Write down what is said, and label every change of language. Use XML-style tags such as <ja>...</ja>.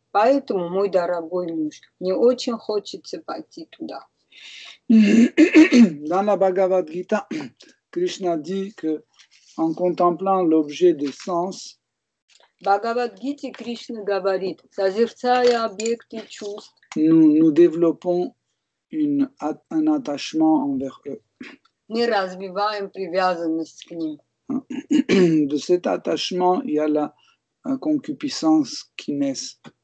<ru>Поэтому, мой дорогой муж, мне очень хочется пойти туда.</ru> <fr>Dans la Bhagavad Gita, Krishna dit que en contemplant l'objet de sens,</fr> <ru>Bhagavad Gita Krishna говорит, созерцая объекты чувств,</ru> <fr>nous développons un attachement envers eux.</fr> <ru>Мы развиваем привязанность к ним.</ru> <fr>De cet attachement, il y a la concupiscence qui naît.</fr>